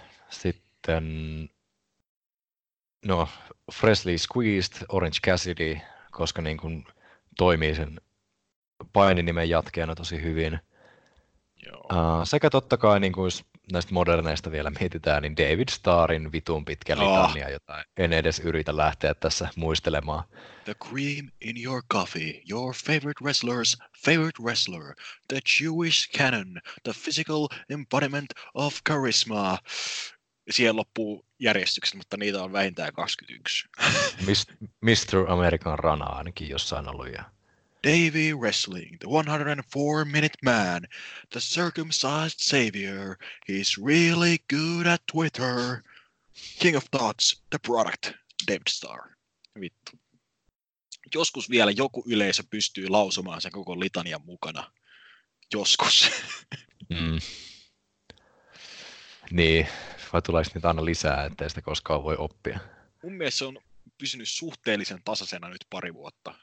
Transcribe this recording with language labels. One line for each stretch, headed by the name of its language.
Finnish: Sitten, no, Freshly Squeezed, Orange Cassidy, koska niin kuin toimii sen paininimen jatkeena tosi hyvin. Joo. Sekä totta kai, niin kuin näistä moderneista vielä mietitään, niin David Starrin vitun pitkä litania, jota en edes yritä lähteä tässä muistelemaan.
English: The cream in your coffee, your favorite wrestler's favorite wrestler, the Jewish canon, the physical embodiment of charisma.
Finnish: Siihen loppuu järjestykset, mutta niitä on vähintään 21. Mr. American Rana ainakin jossain ollut ja.
English: Davey Wrestling, the 104-minute man, the circumcised savior, he's really good at Twitter, king of thoughts, the product, David Starr.
Finnish: Vittu. Joskus vielä joku yleisö pystyy lausumaan sen koko litanian mukana. Joskus. Niin, vai tuleeko nyt aina lisää, ettei sitä koskaan voi oppia? Mun mielestä se on pysynyt suhteellisen tasaisena nyt pari vuotta.